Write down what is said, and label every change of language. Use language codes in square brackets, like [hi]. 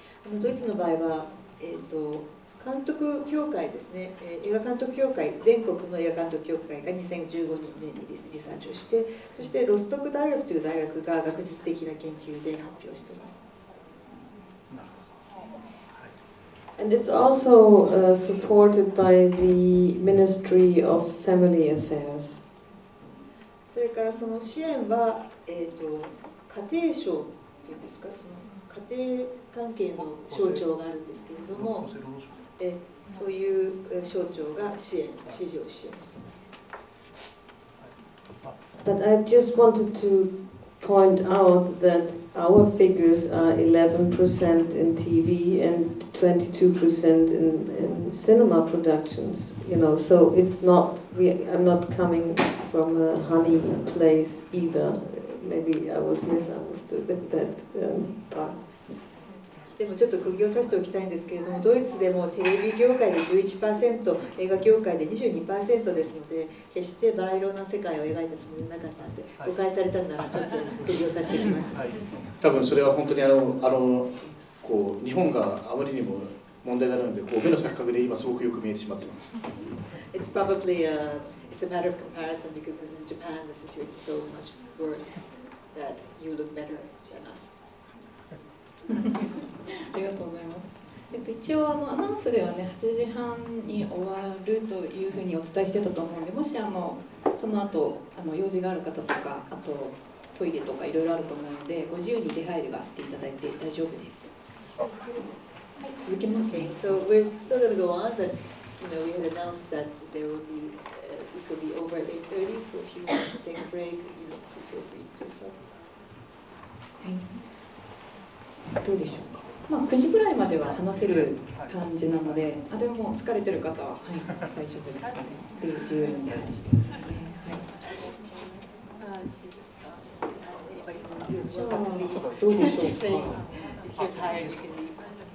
[en] In Germany, [ja] 監督協会ですね、映画監督協会、全国の映画監督協会が2015年にリサーチをして、そしてロストク大学という大学が学術的な研究で発表しています。 [en] And it's also supported by the Ministry of Family Affairs. [ja] それからその支援は、家庭省というんですか、その家庭関係の省庁があるんですけれども。そういう省庁が支援、支持を支援しています。 [en] But I just wanted to point out that our figures are 11% in TV and 22% in cinema productions. You know, so it's not, I'm not coming from a honey place either. Maybe I was misunderstood with that part. [ja] でもちょっと釘を刺しておきたいんですけれども、ドイツでもテレビ業界で 11%、映画業界で 22% ですので、決してバラ色な世界を描いたつもりなかったので、誤解されたならちょっと釘を刺しておきます。はい、多分それは本当にこう日本があまりにも問題があるので、こう目の錯覚で今すごくよく見えてしまっています。 [en] It's probably a, it's a matter of comparison because in Japan the situation is so much worse that you look better than us. [ja] ありがとうございます。一応アナウンスではね8時半に終わるというふうにお伝えしてたと思うんで、もしその後用事がある方とか、あとトイレとかいろいろあると思うので、ご自由に出入りはしていただいて大丈夫です。はい、続けますね。 [en] So we're still gonna go on, but you know we had announced that there will be、this will be over at 8:30, so if you want to take a break, you know, feel free to do so. [ja] はい。どうでしょうか、9時ぐらいまでは話せる感じなので、はい、でも疲れてる方は、はい、大丈夫ですね。で、自由にやりしてますね。はい、じゃあどうでしょうか。